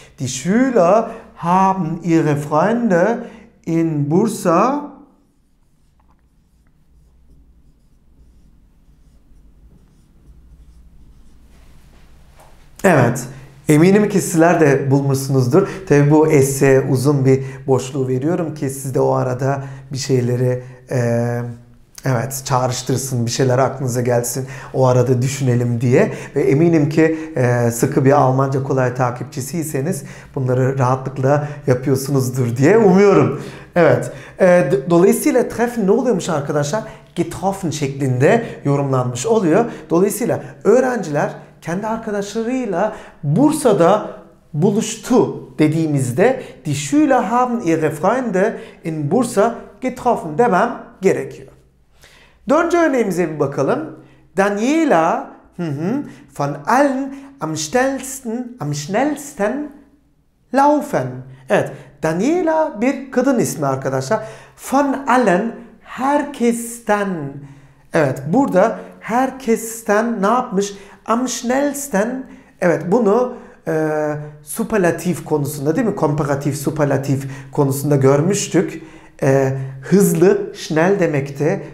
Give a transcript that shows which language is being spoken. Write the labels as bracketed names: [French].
[German] Die Schüler haben ihre Freunde in Bursa evet. [Turkish] Eminim ki sizler de bulmuşsunuzdur. Tabii bu esse uzun bir boşluğu veriyorum ki siz de o arada bir şeyleri evet çağrıştırsın, bir şeyler aklınıza gelsin o arada düşünelim diye. Ve eminim ki sıkı bir Almanca kolay takipçisiyseniz bunları rahatlıkla yapıyorsunuzdur diye umuyorum. Evet. Dolayısıyla treffen ne oluyormuş arkadaşlar? Getroffen şeklinde yorumlanmış oluyor. Dolayısıyla öğrenciler kendi arkadaşlarıyla Bursa'da buluştu dediğimizde [German] Die Schüler haben ihre Freunde in Bursa getroffen [Turkish] demem gerekiyor. Dördüncü örneğimize bir bakalım. [German] Daniela von allen am schnellsten laufen. [Turkish] Evet, Daniela bir kadın ismi arkadaşlar. [German] Von allen [Turkish] herkesten. Evet, burada herkesten ne yapmış? Am schnellsten, evet bunu superlatif konusunda değil mi? Komparatif, superlatif konusunda görmüştük. Hızlı, schnell demekti.